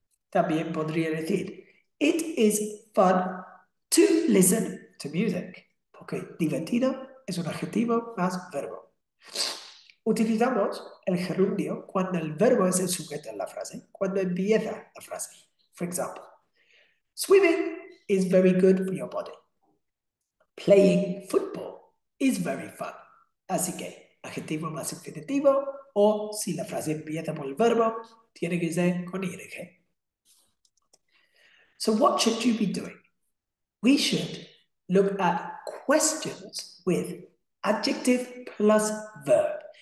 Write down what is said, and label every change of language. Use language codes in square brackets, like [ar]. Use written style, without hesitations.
[es] También podría decir, [en] it is fun to listen to music. [es] Porque divertido es un adjetivo más verbo. Utilizamos el gerundio cuando el verbo es el sujeto de la frase, cuando empieza la frase. [en] For example, swimming is very good for your body. Playing football is very fun. [es] Así que, adjetivo más infinitivo, o si la frase empieza por el verbo, tiene que ser con ing. [en] So, what should you be doing? We should look at questions with adjective plus verb.